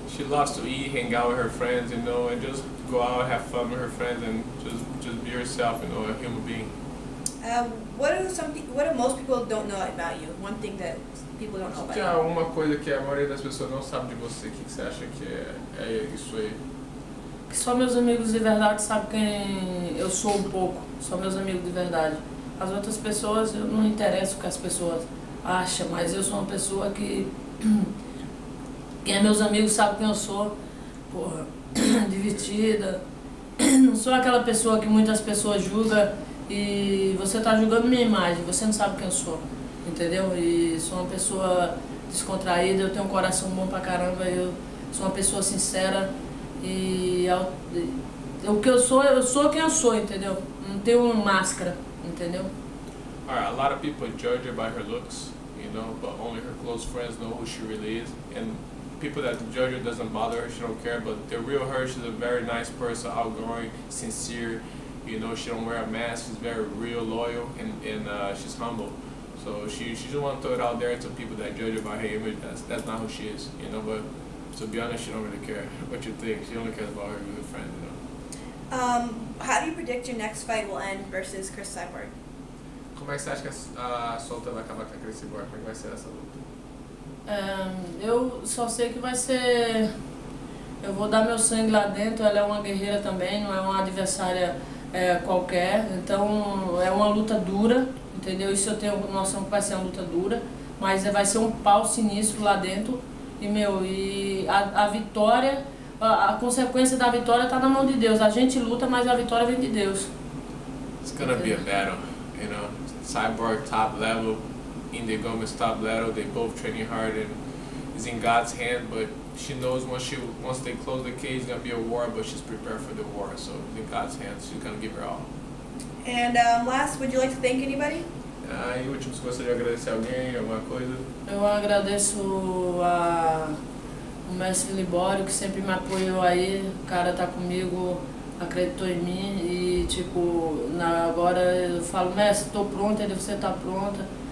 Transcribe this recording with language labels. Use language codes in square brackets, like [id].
[en] She loves to eat, hang out with her friends, you know, and just go out, have fun with her friends, and just be herself, you know, a human being. What do most people don't know about you? One thing that people don't know about you. [pt] Tem uma coisa que a maioria das pessoas não sabe de você, que você acha que é isso aí? Que só meus amigos de verdade sabem quem eu sou um pouco. Só meus amigos de verdade. As outras pessoas, eu não interesso o que as pessoas acham, mas eu sou uma pessoa que... Quem é meus amigos sabe quem eu sou. Porra, divertida. Não sou aquela pessoa que muitas pessoas julgam. E você tá julgando minha imagem, você não sabe quem eu sou, entendeu? E sou uma pessoa descontraída, eu tenho um coração bom pra caramba, eu sou uma pessoa sincera e o que eu sou quem eu sou, entendeu? Não tenho uma máscara, entendeu? [en] Alright, a lot of people judge her by her looks, you know, but only her close friends know who she really is. And people that judge her doesn't bother her, she don't care, but the real her, she's a very nice person, outgoing, sincere. You know, she don't wear a mask, she's very real, loyal, and she's humble. So she just want to throw it out there to people that judge her by her image. That's not who she is, you know, but to be honest, she don't really care what you think. She only cares about her good friend, you know. How do you predict your next fight will end versus Chris Cyborg? [pt] Como é que você acha que a solta vai acabar com a Chris Cyborg? Como é que vai ser essa luta? Eu só sei que vai ser... Eu vou dar meu sangue lá dentro, ela é uma guerreira também, não é uma adversária... qualquer, então é uma luta dura, entendeu? Isso eu tenho noção que vai ser uma luta dura, mas vai ser um pau sinistro lá dentro. E meu, e a vitória, a consequência da vitória tá na mão de Deus. A gente luta, mas a vitória vem de Deus. [en] It's gonna be a battle, you know. Cyborg top level, Indy Gomes top level, they both training hard and it's in God's hand, but she knows once they close the cage, it's gonna be a war, but she's prepared for the war. So in God's hands, she's gonna give her all. And last, would you like to thank anybody? [pt] E último, se gostaria de agradecer alguém, alguma coisa? Eu agradeço o mestre Libório, que sempre me apoiou aí. O cara tá comigo, acreditou em mim. E tipo, agora eu falo, mestre, tô pronta, ele, você tá pronta.